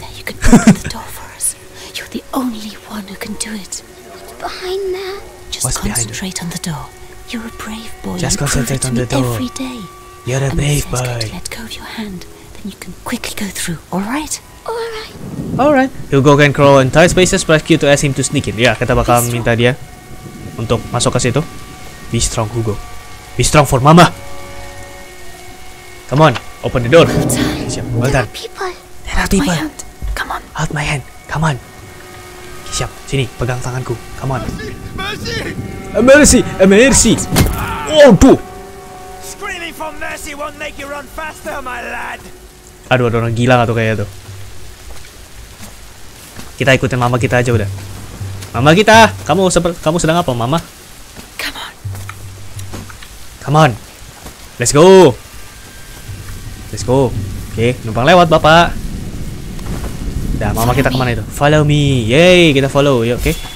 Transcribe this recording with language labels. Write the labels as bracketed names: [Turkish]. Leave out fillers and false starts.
[English] there, you can open the door for us. You're the only one who can do it. What's behind there? Just what's concentrate on the door. You're a brave boy. Just you concentrate on the door. Every day. You're a and brave boy. Let go of your hand, then you can quickly go through. All right. Alright. He'll go and crawl in tight spaces. Press Q to ask him to sneak in. [Indonesian] Ya, kita bakal minta dia untuk masuk ke situ. [English] Be strong, Hugo. Be strong for Mama. Come on, open the door. [Indonesian] Siap. [English] Well done. There are people. Come on. Hold my hand. Come on. [Indonesian] Siap. Sini, pegang tanganku. [English] Come on. Mercy. Mercy. Mercy. [Indonesian] Oh, tuh. [English] Screaming for mercy won't make you run faster, my lad. [Indonesian] Aduh, ada orang gila atau kayak itu. Kita ikutin mama kita aja udah. Mama kita, kamu sedang apa, mama? [English] Come on. Come on. Let's go. Let's go. [Indonesian] Oke, numpang lewat, Bapak. Dah, mama kita kemana itu? [English] Follow me. [Indonesian] Yay, kita follow. Yuk, oke.